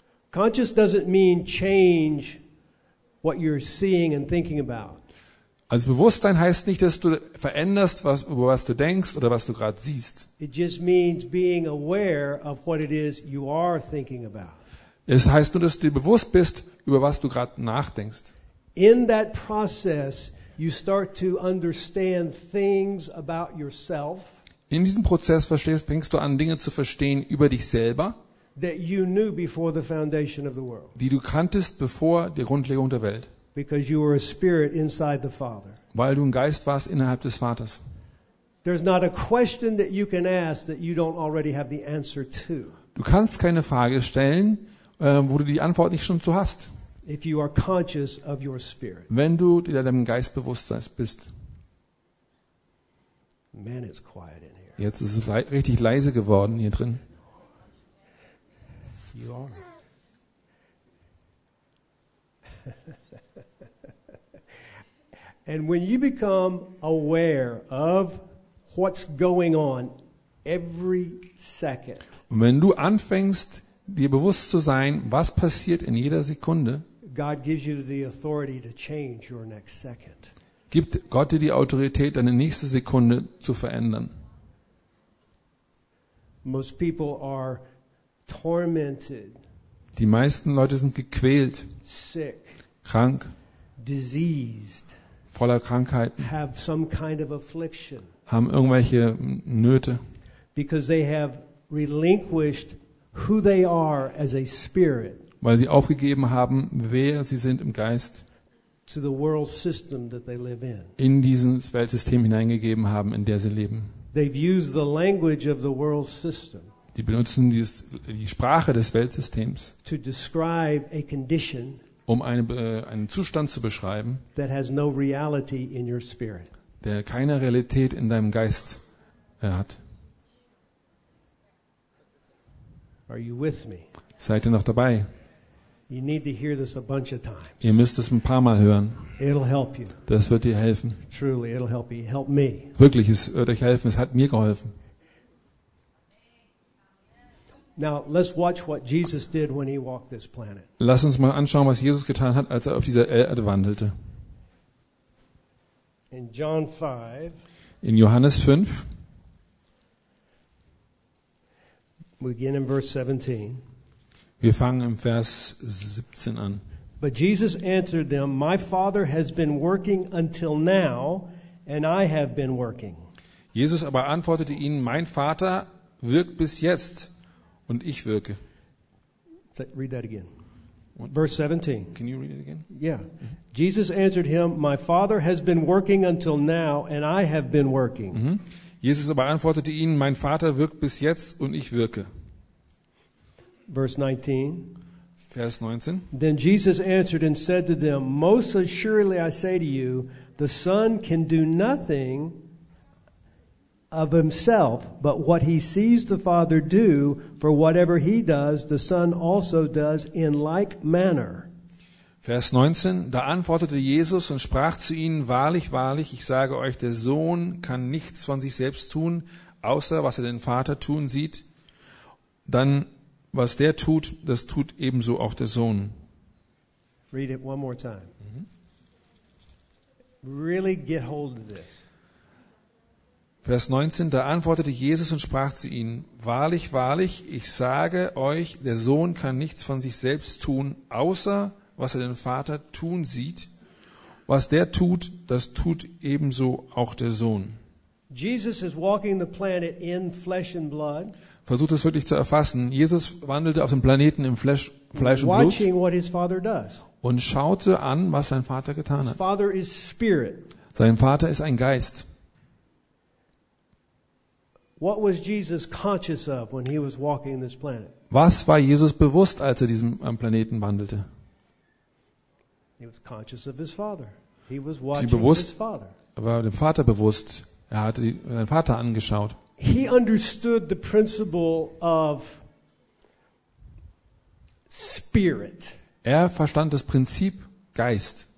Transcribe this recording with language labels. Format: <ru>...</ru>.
<en>Conscious doesn't mean change what you're seeing and thinking about.</en> <de>Also Bewusstsein heißt nicht, dass du veränderst, was über was du denkst oder was du gerade siehst.</de> <en>It just means being aware of what it is you are thinking about.</en> <de>Es heißt nur, dass du dir bewusst bist, über was du gerade nachdenkst.</de> <en>In that process you start to understand things about yourself.</en> <de>In diesem Prozess verstehst, fängst du an, Dinge zu verstehen über dich selber,</de> <en>that you knew before the foundation of the world.</en> <de>Die du kanntest bevor der Grundlegung der Welt.</de> <en>Because you were a spirit inside the Father.</en> <de>Weil du ein Geist warst innerhalb des Vaters.</de> <en>There's not a question that you can ask that you don't already have the answer to.</en> <de>Du kannst keine Frage stellen, wo du die Antwort nicht schon zu hast.</de> <en>If you are conscious of your spirit.</en> <de>Wenn du dir deinem Geist bewusst bist.</de> <en>Man, it's quiet in here.</en> <de>Jetzt ist es richtig leise geworden hier drin.</de> <en>You are. And when you become aware of what's going on every second.</en> <de>Und wenn du anfängst, dir bewusst zu sein, was passiert in jeder Sekunde,</de> <en>God gives you the authority to change your next second.</en> <de>Gibt Gott dir die Autorität, deine nächste Sekunde zu verändern.</de> <en>Most people are tormented.</en> <de>Die meisten Leute sind gequält,</de> <en>sick,</en> <de>krank,</de> <en>diseased,</en> <de>voller Krankheiten,</de> <en>have some kind of affliction,</en> <de>haben irgendwelche Nöte,</de> <en>because they have relinquished who they are as a spirit.</en> <de>Weil sie aufgegeben haben, wer sie sind im Geist,</de> <en>to the world system that they live in.</en> <de>In dieses Weltsystem hineingegeben haben, in der sie leben.</de> <en>They've used the language of the world system.</en> <de>Die benutzen die Sprache des Weltsystems,</de> <en>to describe a condition,</en> <de>um einen Zustand zu beschreiben,</de> <en>that has no reality in your spirit.</en> <de>Der keine Realität in deinem Geist hat.</de> <en>Are you with me?</en> <de>Seid ihr noch dabei?</de> <en>You need to hear this a bunch of times.</en> <de>Ihr müsst es ein paar Mal hören.</de> <en>It'll help you.</en> <de>Das wird dir helfen.</de> <en>Truly, it'll help you. Help me.</en> <de>Wirklich, es wird euch helfen. Es hat mir geholfen.</de> <en>Now let's watch what Jesus did when he walked this planet.</en> <de>Lass uns mal anschauen, was Jesus getan hat, als er auf dieser Erde wandelte.</de> <en>In John 5.</en> <de>In Johannes 5.</de> <en>Begin in verse 17.</en> <de>Wir fangen im Vers 17 an.</de> <en>But Jesus answered them, "My Father has been working until now, and I have been working."</en> <de>Jesus aber antwortete ihnen, "Mein Vater wirkt bis jetzt, und ich wirke."</de> <en>Read that again. Verse 17. Can you read it again? Yeah. Mm-hmm. Jesus answered him, "My Father has been working until now, and I have been working." Mm-hmm.</en> <de>Jesus aber antwortete ihnen, "Mein Vater wirkt bis jetzt, und ich wirke."</de> <en>Verse 19.</en> <de>Vers 19.</de> <en>Then Jesus answered and said to them, "Most assuredly I say to you, the Son can do nothing of himself, but what he sees the Father do, for whatever he does, the Son also does in like manner."</en> <de>Vers 19. Da antwortete Jesus und sprach zu ihnen, "Wahrlich, wahrlich, ich sage euch, der Sohn kann nichts von sich selbst tun, außer was er den Vater tun sieht. Dann was der tut, das tut ebenso auch der Sohn."</de> <en>Read it one more time. Mm-hmm. Really get hold of this.</en> <de>Vers 19, da antwortete Jesus und sprach zu ihnen, wahrlich, wahrlich, ich sage euch, der Sohn kann nichts von sich selbst tun, außer was er den Vater tun sieht. Was der tut, das tut ebenso auch der Sohn.</de> <en>Jesus is walking the planet in flesh and blood.</en> <de>Versucht es wirklich zu erfassen. Jesus wandelte auf dem Planeten im Fleisch und Blut.</de> <en>Watching what his father does.</en> <de>Und schaute an, was sein Vater getan hat.</de> <en>His father is spirit.</en> <de>Sein Vater ist ein Geist.</de> <en>What was Jesus conscious of when he was walking this planet?</en> <de>Was war Jesus bewusst, als er diesem Planeten wandelte?</de> <en>He was conscious of his father. He was watching bewusst, his father.</en> <de>Er war dem Vater bewusst. Er hatte seinen Vater angeschaut.</de> <en>He understood the principle of spirit.</en> <de>Er verstand das Prinzip Geist.</de>